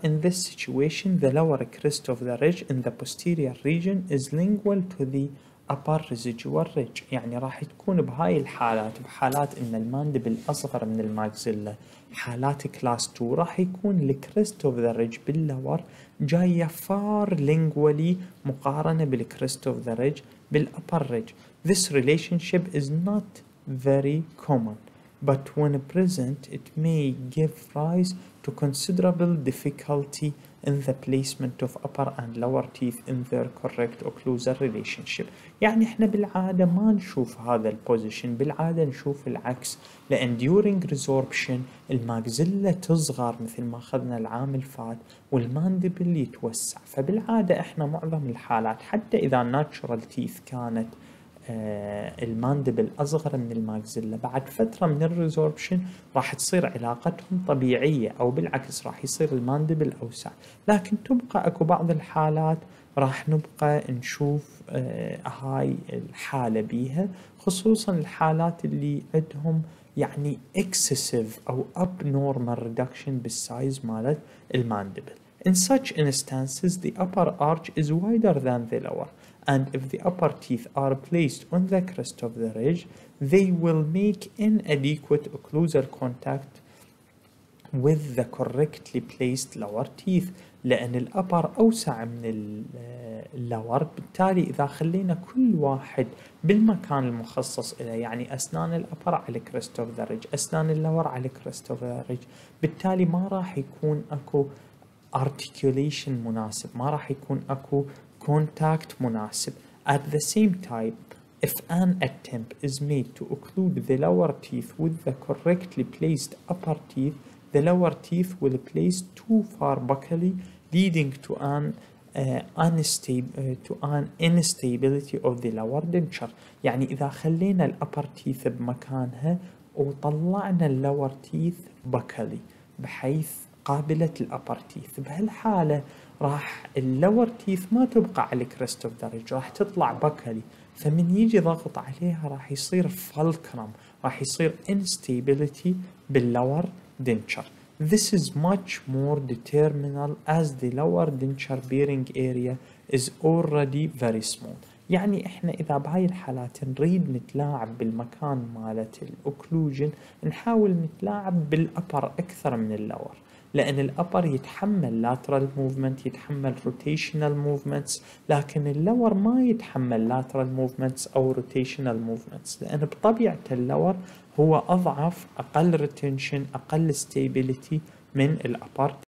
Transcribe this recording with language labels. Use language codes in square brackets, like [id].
[en] In this situation the lower crest of the ridge in the posterior region is lingual to the upper residual ridge. [ar] يعني راح تكون بهاي الحالات, بحالات ان الماندبل اصغر من الماكزيلا, حالات class 2, راح يكون الكريست اوف ذا ريدج باللور جايه فار لينجوالي مقارنه بالكريست اوف ذا ريدج بالابر ريدج. [en] This relationship is not very common, but when present it may give rise to considerable difficulty in the placement of upper and lower teeth in their correct occlusal relationship. [ar] يعني احنا بالعادة ما نشوف هذا البوزيشن, بالعادة نشوف العكس, لان [en] during resorption [ar] الماكزيلا تصغر مثل ما اخذنا العام الفات والماندبل يتوسع, فبالعادة احنا معظم الحالات حتى اذا [en] natural teeth [ar] كانت الماندبل أصغر من الماكزيلا, بعد فترة من الريزوربشن راح تصير علاقتهم طبيعية أو بالعكس راح يصير الماندبل أوسع, لكن تبقى أكو بعض الحالات راح نبقى نشوف هاي الحالة بيها, خصوصا الحالات اللي عندهم يعني [en] excessive [ar] أو [en] abnormal reduction [ar] بالسايز مالت الماندبل. [en] In such instances the upper arch is wider than the lower, and if the upper teeth are placed on the crest of the ridge, they will make inadequate occlusal contact with the correctly placed lower teeth. [ar] لأن الـ upper أوسع من الـ lower, بالتالي إذا خلينا كل واحد بالمكان المخصص إليه, يعني أسنان الـ upper على crest of the ridge, أسنان الـ lower على crest of the ridge, بالتالي ما راح يكون أكو articulation مناسب, ما راح يكون أكو contact مناسب. [en] At the same time, if an attempt is made to occlude the lower teeth with the correctly placed upper teeth, the lower teeth will place too far buccally, leading to an instability of the lower denture. [ar] يعني إذا خلينا الـ [en] upper teeth [ar] بمكانها وطلعنا الـ [en] lower teeth buccally [ar] بحيث قابلة الـ upper teeth, بهالحالة راح اللور تيث ما تبقى على الكريست اوف ذا ريدج, راح تطلع بكلي, فمن يجي ضغط عليها راح يصير فالكرم, راح يصير انستابيليتي باللور دنشر. [en] This is much more determinal as the lower denture bearing area is already very small. [ar] يعني إحنا إذا بهاي الحالات نريد نتلاعب بالمكان مالت الأوكلوجين نحاول نتلاعب بالأبر أكثر من اللور لأن الأبر يتحمل [en] lateral movement [ar] يتحمل [en] rotational movements [ar] لكن اللور ما يتحمل [en] lateral movements [ar] أو [en] rotational movements [ar] لأن بطبيعة اللور هو أضعف أقل retention أقل stability من الأبر.